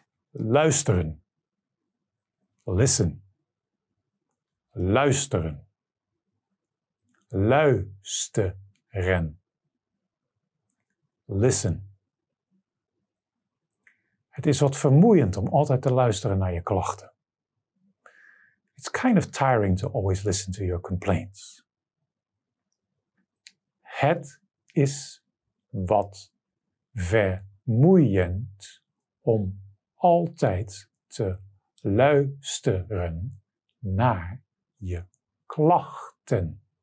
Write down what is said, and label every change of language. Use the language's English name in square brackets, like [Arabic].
[Dutch] Luisteren. Listen. Luisteren. Luisteren. Listen. Het is wat vermoeiend om altijd te luisteren naar je klachten. [English] It's kind of tiring to always listen to your complaints. [Dutch] Het is wat vermoeiend om altijd te luisteren naar je klachten.